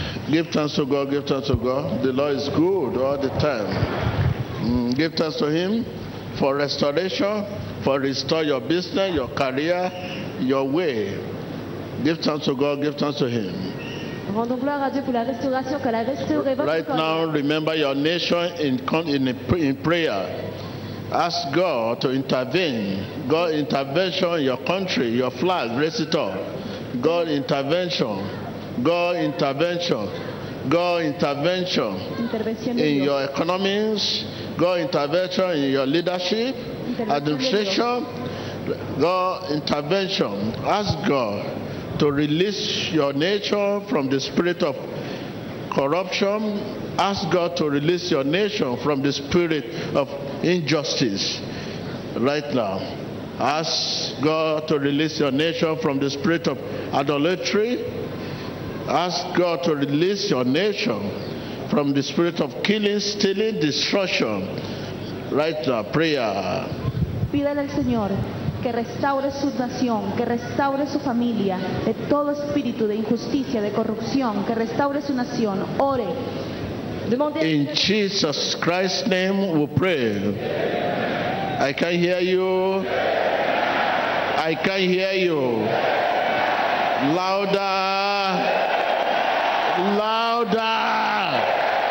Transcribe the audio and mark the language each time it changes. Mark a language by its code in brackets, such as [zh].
[en] Give thanks to God, give thanks to God. The Lord is good all the time. Give thanks to Him for restoration, for restore your business, your career, your way. Give thanks to God, give thanks to him. [fr] Rendons gloire à Dieu pour la restauration, qu'elle a restauré votre corps. [en] Right now, remember your nation in prayer. Ask God to intervene. God intervention in your country, your flag, raise it up. God intervention. God intervention. God intervention in your economies. God intervention in your leadership, administration. God intervention. Ask God to release your nature from the spirit of corruption. Ask God to release your nation from the spirit of injustice right now. Ask God to release your nation from the spirit of idolatry. Ask God to release your nation from the spirit of killing, stealing, destruction. Right now, prayer. [es] Pídele al Señor que restaure su nación, que restaure su familia de todo espíritu de injusticia, de corrupción, que restaure su nación. Ore. [en] In Jesus Christ's name we pray. Amen. I can hear you. Amen. I can hear you. Amen. Louder. Amen. Louder.